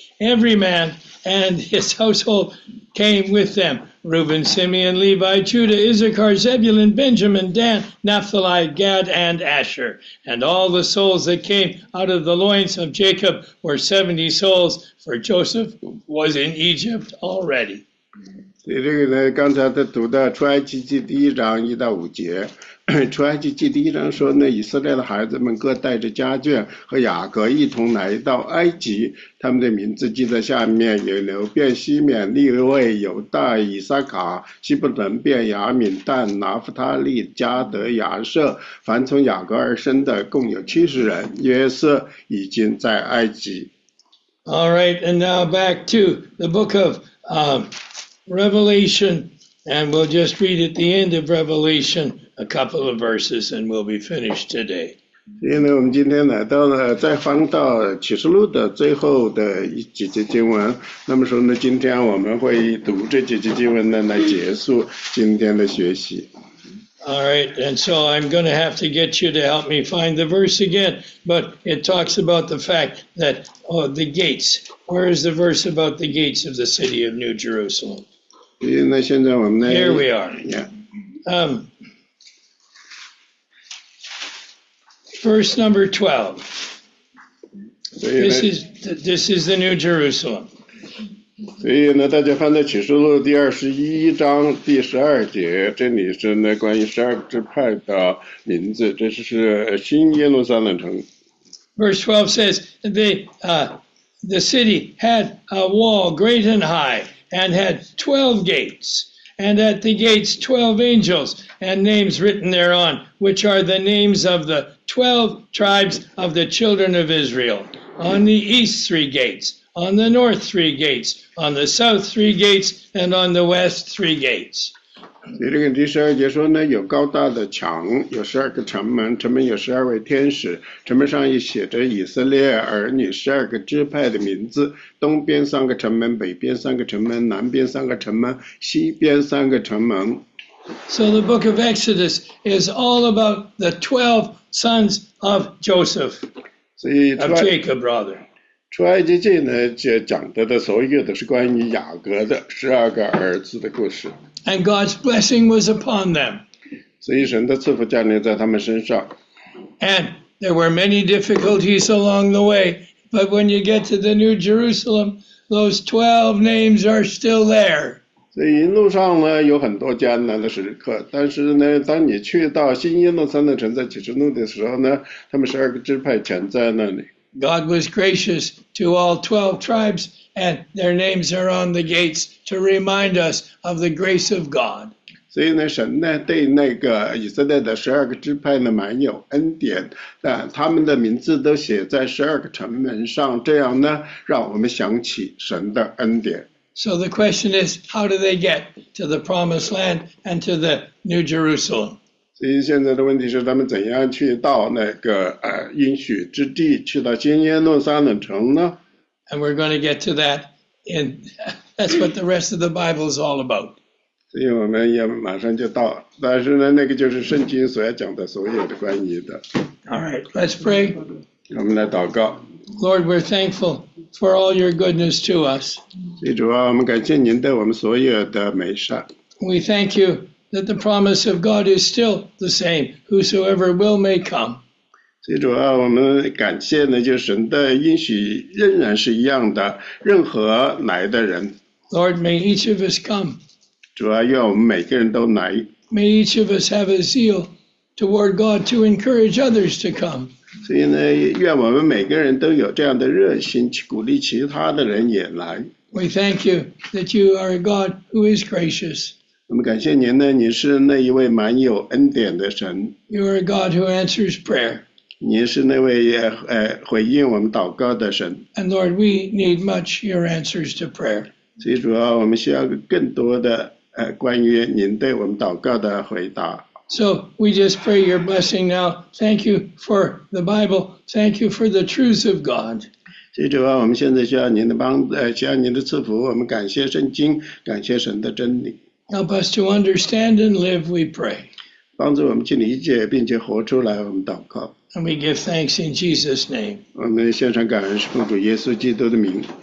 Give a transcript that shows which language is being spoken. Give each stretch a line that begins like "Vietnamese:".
English: Every man... And his household came with them. Reuben, Simeon, Levi, Judah, Issachar, Zebulun, Benjamin, Dan, Naphtali, Gad, and Asher. And all the souls that came out of the loins of Jacob were 70 souls, for Joseph was in Egypt already.
Chinese: 所以这个呢，刚才他读的出埃及记第一章一到五节。出埃及记第一章说呢，以色列的孩子们各带着家眷和雅各一同来到埃及，他们的名字记在下面，有流便、西缅、利未、犹大、以撒卡、西布伦、便雅敏、但、拿弗他利、加德、雅舍，凡从雅各而生的共有70人，约瑟已经在埃及。
English: All right, and now back to the book of Revelation, and we'll just read at the end of Revelation. A couple of verses, and we'll be finished today.
Chinese: 所以呢，我们今天来到了再翻到启示录的最后的几节经文。那么说呢，今天我们会读这几节经文呢，来结束今天的学习。
English: All right, and so I'm going to have to get you to help me find the verse again. But it talks about the fact that the gates. Where is the verse about the gates of the city of New Jerusalem?
Chinese: 所以呢，现在我们呢
English: Here we are. Yeah. Verse number 12. This is the New Jerusalem.
Chinese: 所以呢，大家翻到启示录第21章第12节，这里是呢关于12支派的名字，这是新耶路撒冷城。
English: Verse 12 says the city had a wall great and high, and had 12 gates. And at the gates, 12 angels, and names written thereon, which are the names of the 12 tribes of the children of Israel. On the east, 3 gates. on the north three gates, on the south three gates, and on the west three gates.
Chinese: 第十二节说呢，有高大的墙，有十二个城门，城门有十二位天使，城门上也写着以色列儿女十二个支派的名字，东边三个城门，北边三个城门，南边三个城门，西边三个城门。
English: So the book of Exodus is all about the 12 sons of Joseph, of Jacob, rather.
Chinese: 出埃及记呢，就讲的所有的是关于雅各的十二个儿子的故事。
English: And God's blessing was upon them.
Chinese: 所以神的赐福降临在他们身上。
English: And there were many difficulties along the way, but when you get to the New Jerusalem, those 12 names are still there.
Chinese: 所以一路上呢，有很多艰难的时刻，但是呢，当你去到新耶路撒冷城在启示录的时候呢，他们十二个支派全在那里。
English: God was gracious to all 12 tribes, and their names are on the gates to remind us of the grace of God.
Chinese: 所以呢，神呢对那个以色列的十二个支派呢蛮有恩典，他们的名字都写在十二个城门上，这样呢让我们想起神的恩典。
English: So the question is, how do they get to the promised land and to the New Jerusalem?
Chinese: 所以现在的问题是，他们怎样去到那个应许之地，去到新耶路撒冷城呢
English: ？And we're going to get to that. In that's what the rest of the Bible is all about.
Chinese: 所以我们也马上就到，但是呢，那个就是圣经所要讲的所有的关于的。
English: All right, let's pray.
Chinese: 我们来祷告。
English: Lord, we're thankful for all your goodness to us.
Chinese: 所以主啊，我们感谢您对我们所有的美善。
English: We thank you. That the promise of God is still the same, whosoever will may come.
Chinese: 所以主啊，我们感谢呢，就神的应许仍然是一样的，任何来的人。
English: Lord, may each of us come.
Chinese: 主啊，愿我们每个人都来。
English: May each of us have a zeal toward God to encourage others to come.
Chinese: 所以呢，愿我们每个人都有这样的热心，去鼓励其他的人也来。
English: We thank you that you are a God who is gracious.
Chinese: 我们感谢您呢，您是那一位蛮有恩典的神。
English: You are a God who answers prayer.
Chinese: 您是那位回应我们祷告的神。
English: And Lord, we need much your answers to prayer.
Chinese: 所以主啊，我们需要更多的关于您对我们祷告的回答。
English: So we just pray your blessing now. Thank you for the Bible. Thank you for the truths of God.
Chinese: 所以主啊，我们现在需要您的帮需要您的赐福。我们感谢圣经，感谢神的真理。
English: Help us to understand and live, we pray.
Chinese: 帮助我们去理解并且活出来，我们祷告。
English: And we give thanks in Jesus' name.
Chinese: 我们献上感恩，是奉主耶稣基督的名。